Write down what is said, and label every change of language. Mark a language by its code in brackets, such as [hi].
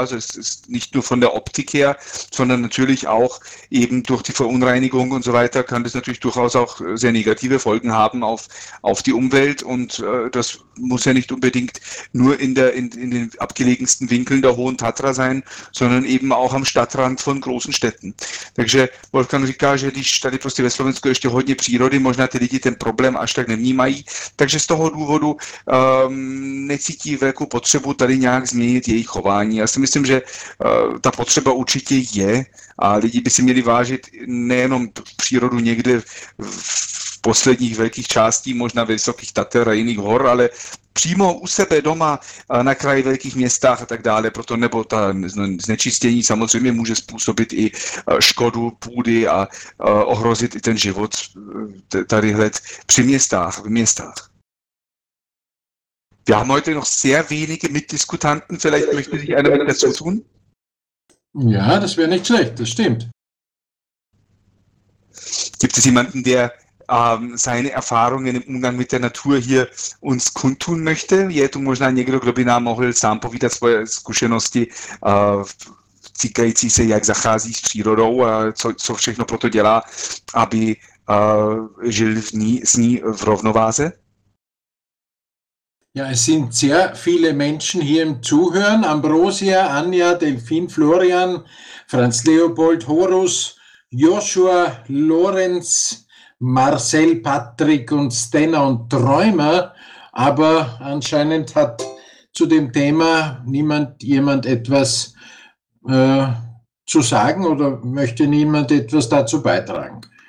[de] Ja, also es ist nicht nur von der Optik her, sondern natürlich auch eben durch die Verunreinigung und so weiter, kann das natürlich durchaus auch sehr negative Folgen haben auf die Umwelt. Und das muss ja nicht unbedingt nur in den abgelegensten Winkeln der Hohen Tatra sein, sondern eben auch am Stadtrand von großen Städten. [cs] Takže Wolfgang říká, že když tady prostě ve Slovensku ještě hodně přírody, možná ty lidi ten problém až tak nevnímají, takže z toho důvodu necítí velkou potřebu tady nějak změnit jejich chování. Já si myslím, že ta potřeba určitě je a lidi by si měli vážit nejenom přírodu někde v posledních velkých částí, možná vysokých Tater a jiných hor, ale přímo u sebe doma na kraji velkých městách a tak dále, proto nebo ta znečistění samozřejmě může způsobit i škodu půdy a ohrozit i ten život tadyhle při městách, v městách. [de] Wir haben heute noch sehr wenige Mitdiskutanten, vielleicht möchte sich einer mit dazu tun. Ja, das wäre nicht schlecht, das stimmt. Gibt es jemanden, der seine Erfahrungen im Umgang mit der Natur hier uns kundtun möchte? [cs] Je tu možná někdo, kdo by nám mohl sám povídat svoje zkušenosti týkající se, jak zachází s přírodou a co všechno pro to dělá, aby žil s ní v rovnováze? [de] Ja, es sind sehr viele Menschen hier im Zuhören. Ambrosia, Anja, Delfin, Florian, Franz Leopold, Horus, Joshua, Lorenz, Marcel, Patrick und Stenner und Träumer. Aber anscheinend hat zu dem Thema jemand etwas zu sagen oder möchte niemand etwas dazu beitragen.